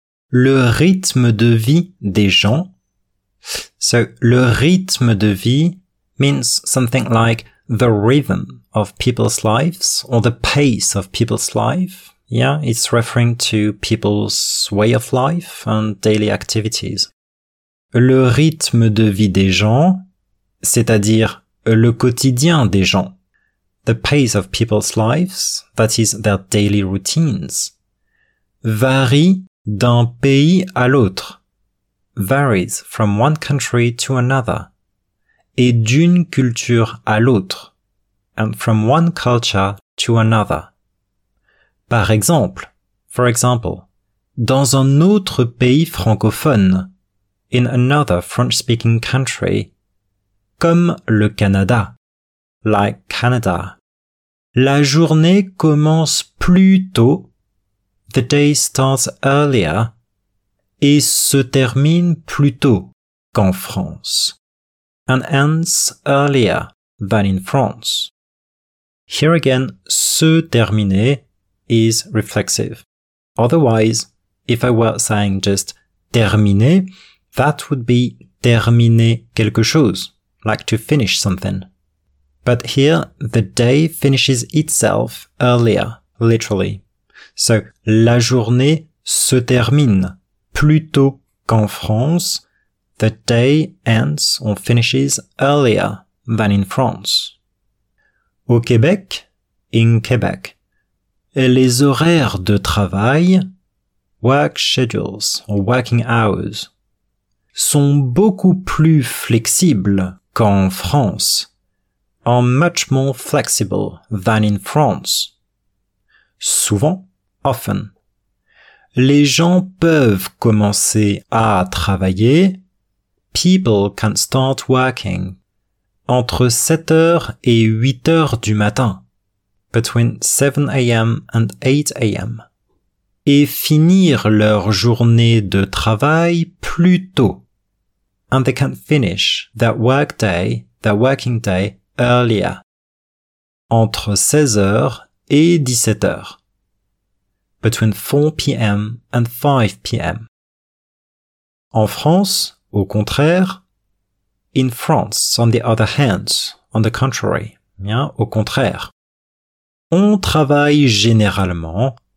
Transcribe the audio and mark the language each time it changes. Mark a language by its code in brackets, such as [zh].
[fr] Le rythme de vie des gens. [en] So, [fr] le rythme de vie [en] means something like the rhythm of people's lives or the pace of people's life. Yeah, it's referring to people's way of life and daily activities. [fr] Le rythme de vie des gens, c'est-à-dire le quotidien des gens. [en] The pace of people's lives, that is their daily routines, [fr] varie d'un pays à l'autre. [en] Varies from one country to another. [fr] Et d'une culture à l'autre. [en] And from one culture to another. For example, [fr] dans un autre pays francophone, [en] in another French-speaking country, [fr] comme le Canada, [en] like Canada, [fr] la journée commence plus tôt, [en] the day starts earlier, [fr] et se termine plus tôt qu'en France, [en] and ends earlier than in France. Here again, se terminer is reflexive. Otherwise, if I were saying just terminer, that would be [fr] terminer quelque chose, [en] like to finish something. But here, the day finishes itself earlier, literally. So, [fr] la journée se termine plus tôt qu'en France. [en] The day ends or finishes earlier than in France. [fr] Au Québec, [en] in Quebec. [fr] Et les horaires de travail, [en] work schedules or working hours, [fr] sont beaucoup plus flexibles qu'en France, [en] are much more flexible than in France. [fr] Souvent, [en] often, [fr] les gens peuvent commencer à travailler, [en] people can start working, [fr] entre 7h et 8h du matin, [en] between 7 a.m. and 8 a.m. [fr] et finir leur journée de travail plus tôt. [en] And they can finish their working day earlier. [fr] Entre 16h et 17h. [en] Between 4 p.m. and 5 p.m. [fr] En France, au contraire. [en] In France, on the other hand, on the contrary. [fr] Bien, au contraire. On travaille généralement.